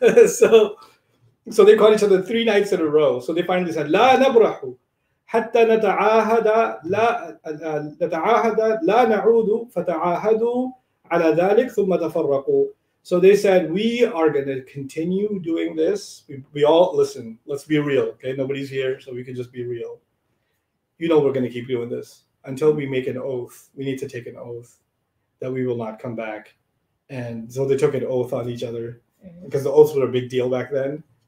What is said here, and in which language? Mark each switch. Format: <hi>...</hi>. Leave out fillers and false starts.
<en>So they called each other three nights in a row. So they finally said,</en> <ar>لا نبرح حتى نتعاهد لا نعود فتعاهدوا على ذلك ثم تفرقوا.</ar> <en>So they said, we are going to continue doing this. We all, listen, let's be real. Okay, nobody's here, so we can just be real. You know we're going to keep doing this until we make an oath. We need to take an oath that we will not come back. And so they took an oath on each other because the oaths were a big deal back then.</en>